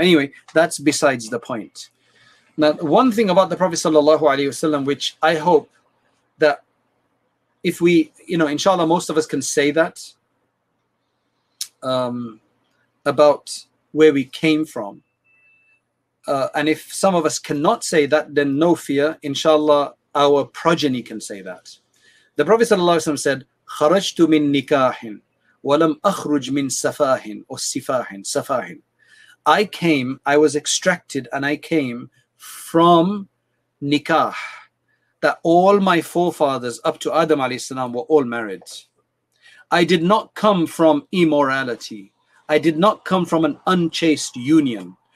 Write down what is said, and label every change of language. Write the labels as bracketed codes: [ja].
[en] Anyway, that's besides the point. Now, one thing about the Prophet Sallallahu Alaihi Wasallam, which I hope that if we, you know, inshallah, most of us can say that about where we came from. And if some of us cannot say that, then no fear, inshallah, our progeny can say that. The Prophet Sallallahu Alaihi Wasallam said, [ar] خَرَجْتُ مِن نِكَاحٍ وَلَمْ أَخْرُجْ مِنْ سَفَاهٍ أو سِفَاهٍ سَفَاهٍ. [en] I came, I was extracted, and I came from nikah. That all my forefathers up to Adam alayhi salam were all married. I did not come from immorality. I did not come from an unchaste union.